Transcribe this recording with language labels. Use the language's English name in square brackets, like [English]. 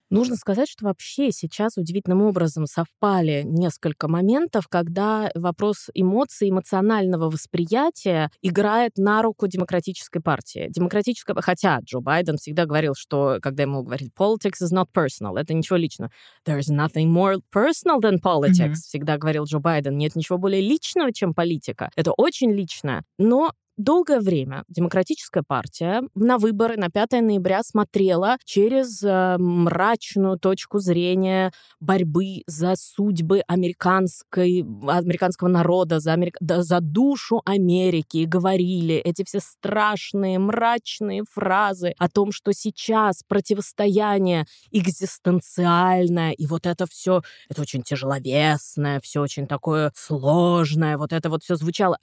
[Russian] Нужно сказать, что вообще сейчас удивительным образом совпали несколько моментов, когда вопрос эмоций, эмоционального восприятия играет на руку Демократической партии. Демократическая, хотя Джо Байден всегда говорил, что, когда ему говорили, [English] politics is not personal, [Russian] это ничего личного. [English] There is nothing more personal than politics, mm-hmm. [Russian] всегда говорил Джо Байден. Нет ничего более личного, чем политика. Это очень личное. Но долгое время Демократическая партия на выборы на 5 ноября смотрела через мрачную точку зрения борьбы за судьбы американского народа, за душу Америки. И говорили эти все страшные, мрачные фразы о том, что сейчас противостояние экзистенциальное, и вот это все, это очень тяжеловесное, все очень такое сложное, вот это вот все звучало.